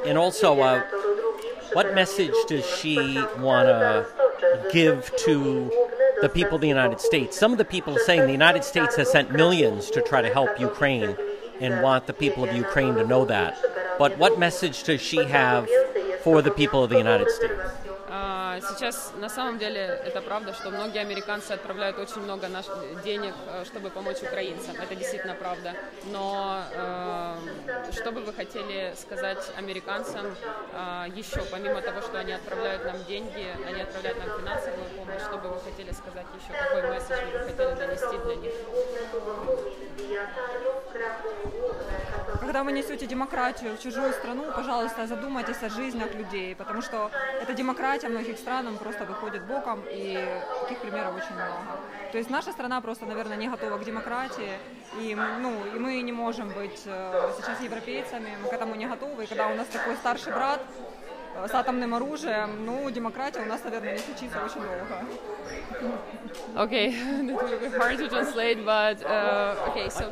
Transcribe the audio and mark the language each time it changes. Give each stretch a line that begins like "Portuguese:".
English: And also, what message does she want to give to the people of the United States? Some of the people are saying the United States has sent millions to try to help Ukraine and want the people of Ukraine to know that. But what message does she have for the people of the United States?
Russian: Сейчас на самом деле это правда, что многие американцы отправляют очень много денег, чтобы помочь украинцам. Это действительно правда. Но что бы вы хотели сказать американцам еще, помимо того, что они отправляют нам деньги, они отправляют нам финансовую помощь, что бы вы хотели сказать еще? Какой месседж вы хотели донести для них? Когда вы несете демократию в чужую страну, пожалуйста, задумайтесь о жизнях людей, потому что эта демократия многих стран просто выходит боком, и таких примеров очень много. То есть наша страна просто, наверное, не готова к демократии, и, ну, и мы не можем быть сейчас европейцами, мы к этому не готовы, и когда у нас такой старший брат с атомным оружием, ну, демократия у нас, наверное, не случится очень долго.
English: Okay, that will be hard to translate, but okay, so...